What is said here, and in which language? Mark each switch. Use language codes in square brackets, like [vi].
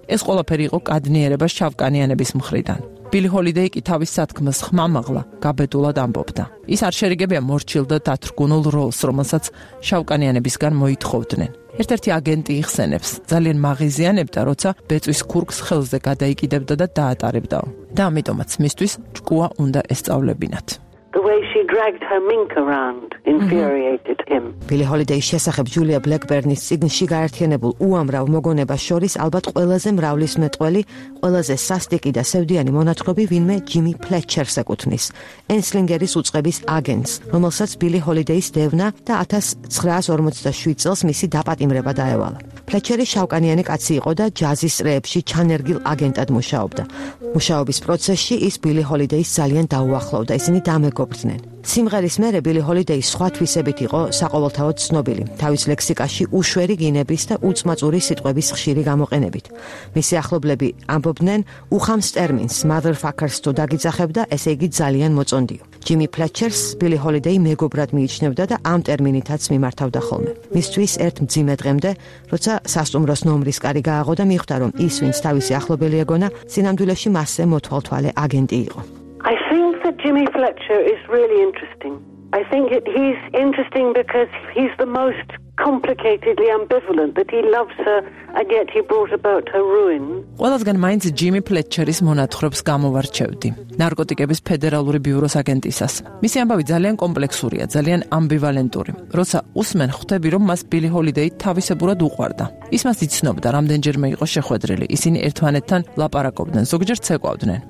[ka] ეს ყველაფერი იყო კადნიერება შავკანიანების მხრიდან. ბილი ჰოლიდეი კი თავის სათქმელს ხმამაღლა გაბედულად ამბობდა. ის არ შერიგებია მორჩილ და დათრგუნულ როლს, რომელსაც შავკანიანებისგან მოითხოვდნენ. ერთ-ერთი აგენტი იხსენებს: ძალიან მაღიზიანებდა, როცა ბეწვის ქურკს ხელზე გადაიკიდებდა და დაატარებდაო. და ამიტომაც მისთვის ჭკუა უნდა ესწავლებინათ. [en] The way she dragged her mink around infuriated him. [ka] ბილი ჰოლიდეის შესახებ ჯულია ბლეკბერნის წიგნში გაერთიანებულ უამრავ მოგონებას შორის ალბათ ყველაზე მრავლისმეტყველი, ყველაზე სასტიკი და სევდიანი მონათხრობი ვინმე ჯიმი ფლეტჩერს ეკუთვნის, ენსლინგერის უწყების აგენტს, რომელსაც ბილი ჰოლიდეის დევნა და 1947 წელს მისი დაპატიმრება დაევალა. ფლეტჩერი შავკანიანი კაცი იყო და ჯაზის რეებში ჩანერგილ აგენტად მუშაობდა. მუშაობის პროცესში ის ბილი ჰოლიდეის ძალიან დაუახლოვდა, ისინი დამეგობრდნენ. სიმღერის მერე ბილი ჰოლიდეი სხვა თვისებით იყო საყოველთაოდ ცნობილი: თავის ლექსიკაში უშვერი გინების და უწმაწური სიტყვების ხშირი გამოყენებით. მისი ახლობლები ამბობდნენ: უხამს ტერმინს motherfuckers თუ დაგიძახებ და ესე იგი ძალიან მოწონდიო. ჯიმი ფლეტჩერს ბილი ჰოლიდეი მეგობრად მიიჩნევდა და ამ ტერმინითაც მიმართავდა ხოლმე. მისთვის ერთ მძიმე დღემდე, როცა სასტუმროს ნომრის კარი გააღო და მიხვდა, რომ ის, ვინც თავისი ახლობელი ეგონა, სინამდვილეში მასზე მოთვალთვალე აგენტი იყო. [en] I think that Jimmy Fletcher is really interesting. I think he's interesting because he's the most complicatedly ambivalent, that he loves her and yet he brought about her ruin. [ka] ყველასგან მაინც ჯიმი ფლეტჩერის მონათხრობს გამოვარჩევდი. ნარკოტიკების ფედერალური ბიუროს აგენტისას. მისი ამბავი ძალიან კომპლექსურია, ძალიან ამბივალენტური. როცა უსმენ, ხვდები, რომ მას ბილი ჰოლიდეი თავისებურად უყვარდა. ის მას იცნობდა, რამდენჯერმე იყო შეხვედრილი. ისინი ერთმანეთთან ლაპარაკობდნენ, ზოგჯერ ცეკვავდნენ.